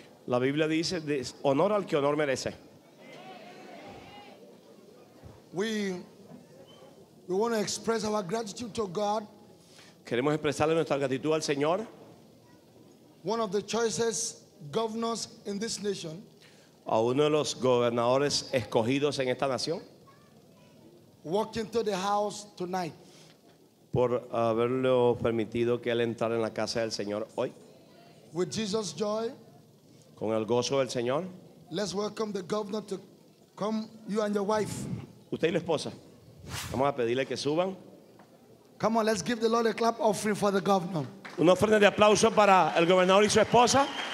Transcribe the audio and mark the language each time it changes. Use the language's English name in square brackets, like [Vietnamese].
[Spanish] La Biblia dice, honor al que honor merece. [English] We want to express our gratitude to God. [Spanish] Queremos expresarle nuestra gratitud al Señor. [English] One of the choicest governors in this nation. [Spanish] A uno de los gobernadores escogidos en esta nación. [English] Walked into the house tonight. [Spanish] Por haberlo permitido que él entrara en la casa del Señor hoy. [English] With Jesus' joy. [Spanish] Con el gozo del Señor. [English] Let's welcome the governor to come, you and your wife. [Spanish] Usted y la esposa. Vamos a pedirle que suban. [English] Come on, let's give the Lord a clap offering for the governor. [Spanish] Una ofrenda de aplauso para el gobernador y su esposa.